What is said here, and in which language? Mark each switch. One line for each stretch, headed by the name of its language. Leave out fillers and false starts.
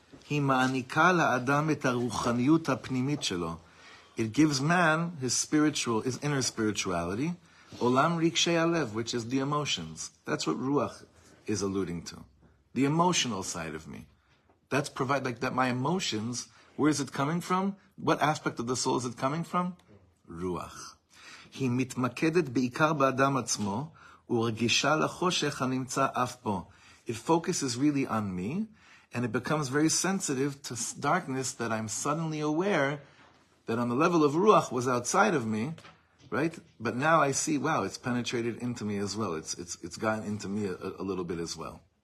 Hebrew: היא מעניקה לאדם את הרוחניות הפנימית שלו.
English: It gives man his spiritual, his inner spirituality,
Hebrew: olam rikshei alev,
English: which is the emotions. That's what ruach is alluding to. The emotional side of me. That's provide, like that my emotions, where is it coming from? What aspect of the soul is it coming from? Ruach.
Hebrew: היא מתמקדת בעיקר באדם עצמו, ורגישה לחושך הנמצא אף בו.
English: It focuses really on me, and it becomes very sensitive to darkness that I'm suddenly aware that on the level of ruach was outside of me, right? But now I see, wow, it's penetrated into me as well. It's gotten into me a little bit as well.